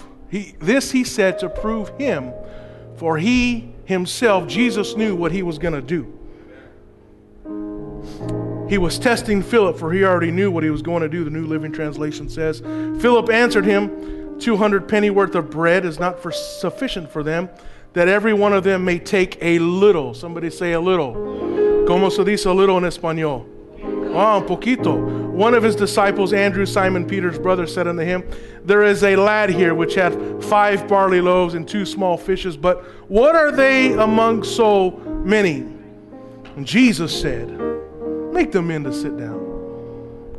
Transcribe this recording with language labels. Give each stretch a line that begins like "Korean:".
English: He said to prove him, for he himself, Jesus, knew what he was going to do. He was testing Philip, for he already knew what he was going to do, the New Living Translation says. Philip answered him, 200 penny worth of bread is not sufficient for them, that every one of them may take a little. Somebody say a little.
Spanish: ¿Cómo se dice
English: a little
Spanish: en español? Ah, un poquito.
English: One of his disciples, Andrew, Simon Peter's brother, said unto him, there is a lad here which hath 5 barley loaves and 2 small fishes, but what are they among so many? And Jesus said, make the men to sit down.